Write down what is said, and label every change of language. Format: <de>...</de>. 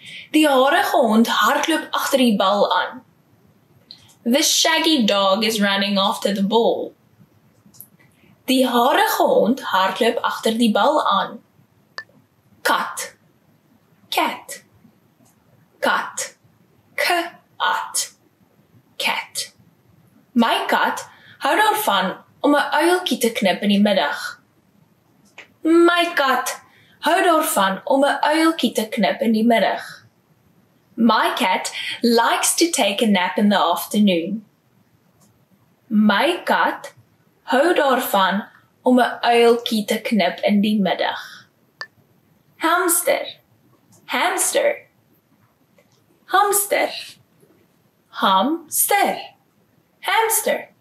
<af>Die harige hond hardloop agter die bal aan.</af> <en>The shaggy dog is running after the ball.</en> <af>Die harige hond hardloop agter die bal aan. Kat. Cat. Kat.</af> <en>K-at. Cat.</en> <af>My kat hou daarvan om 'n uiltjie te knip in die middag. My kat hou daarvan om 'n uiltjie te knip in die middag.</af> <en>My cat likes to take a nap in the afternoon.</en> <af>My kat hou daarvan om 'n uiltjie te knip in die middag. Hamster. Hamster. Hamster. Hamster. Hamster.</af>